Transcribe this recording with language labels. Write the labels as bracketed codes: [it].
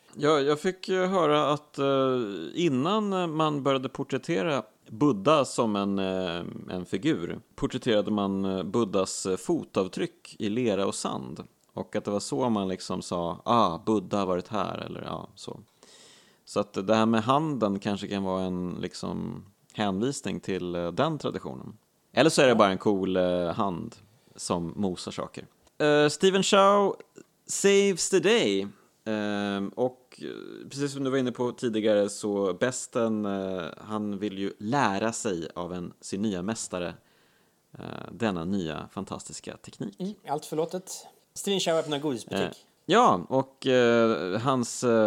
[sv] Ja, jag fick ju höra att innan man började porträttera Buddha som en figur, porträtterade man Buddhas fotavtryck i lera och sand. Och att det var så man liksom sa, Buddha har varit här, eller ja, så. Så att det här med handen kanske kan vara en liksom hänvisning till den traditionen. Eller så är det bara en cool hand som mosar saker. [en] Stephen Chow saves the day. [sv] Och precis som du var inne på tidigare, så besten, han vill ju lära sig av sin nya mästare denna nya fantastiska teknik. Allt förlåtet. Stephen Chow öppnar godisbutik. Ja, och hans...